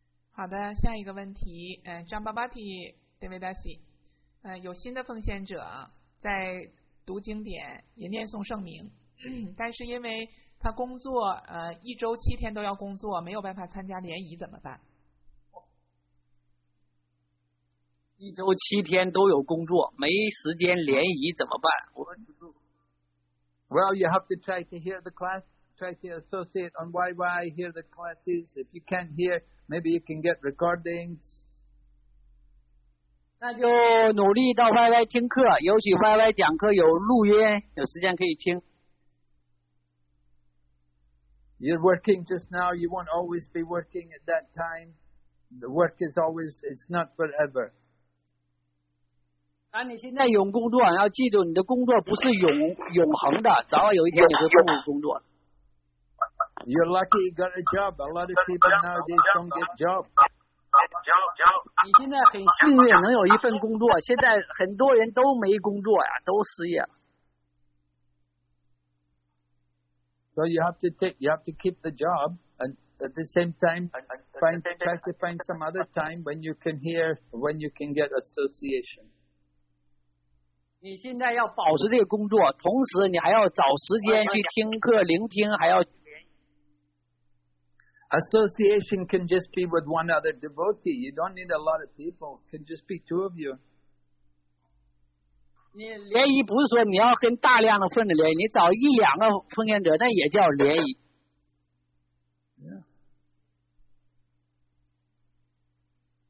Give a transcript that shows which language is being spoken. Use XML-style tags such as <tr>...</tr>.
<zh>好的，下一个问题，张巴巴提德维达西，有新的奉献者在读经典，也念诵圣名，但是因为他工作，一周七天都要工作，没有办法参加联谊，怎么办？一周七天都有工作，没时间联谊怎么办？我</zh> <en>Well, you have to try to hear the class, try to associate on YY, hear the classes. If you can't hear, maybe you can get recordings.</en> <zh>那就努力到 YY 听课，也许 YY 讲课有录音，有时间可以听。</zh> <en>You're working just now. You won't always be working at that time. The work is always, it's not forever.</en> <zh>当你现在有工作，要记住你的工作不是永恒的，早晚有一天你会不会工作。</zh> <en>You're lucky you got a job. A lot of people nowadays don't get jobs.</en> <zh>你现在很幸运能有一份工作，现在很多人都没工作呀，都失业了。</zh> <en>So you have to keep the job, and at the same time, try to find some other time when you can get association.</en> <zh>你现在要保持这个工作，同时你还要找时间去听课、聆听，还要。</zh> <en>Association can just be with one other devotee. You don't need a lot of people. It can just be two of you.</en> <zh>你联谊不是说你要跟大量的分子联谊，你找一两个奉献者，那也叫联谊。 Yeah.</zh>